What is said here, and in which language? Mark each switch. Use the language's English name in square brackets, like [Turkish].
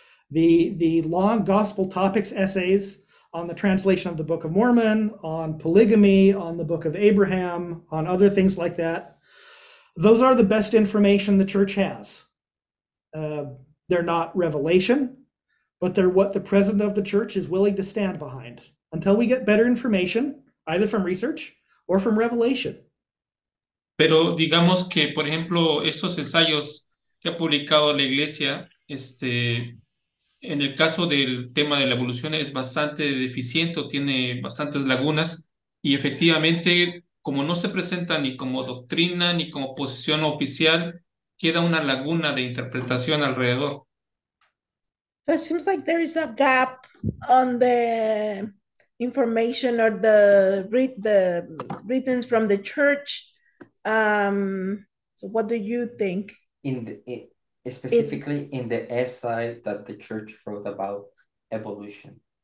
[English] The long gospel topics essays on the translation of the Book of Mormon, on polygamy, on the Book of Abraham, on other things like that. Those are the best information the church has. They're not revelation, but they're what the president of the church is willing to stand behind until we get better information, either from research or from revelation. [Spanish] Pero digamos que, por ejemplo, estos ensayos que ha publicado la iglesia, en el caso del tema de la evolución es bastante deficiente, tiene bastantes lagunas, y efectivamente, como no se presenta ni como doctrina ni como posición oficial, queda una laguna de interpretación alrededor. [English] So it seems like there is a gap on the information or the written from the church. So what do you think? In the essay that the church wrote about evolution.